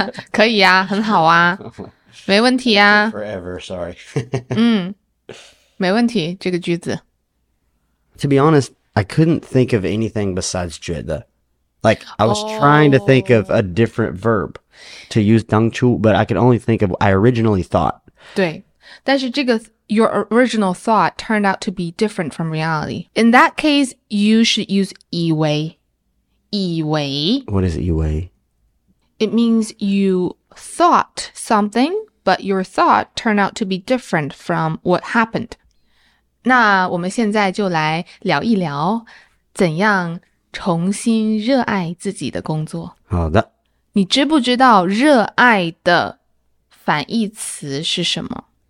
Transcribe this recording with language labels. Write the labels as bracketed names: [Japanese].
[Chinese] 可以啊，很好啊，没问题啊。 [English] Forever, sorry. [Chinese] 嗯。没问题，这个句子。 [English] To be honest, I couldn't think of anything besides 觉得。 Like, I was、oh. trying to think of a different verb to use 当初, but I could only think of I originally thought. [Chinese] 对，但是这个 [English] your original thought turned out to be different from reality. In that case, you should use 以为。以为。 What is 以为? It means you thought something, but your thought turned out to be different from what happened. [Chinese] 那我们现在就来聊一聊怎样重新热爱自己的工作。好的。你知不知道热爱的反义词是什么？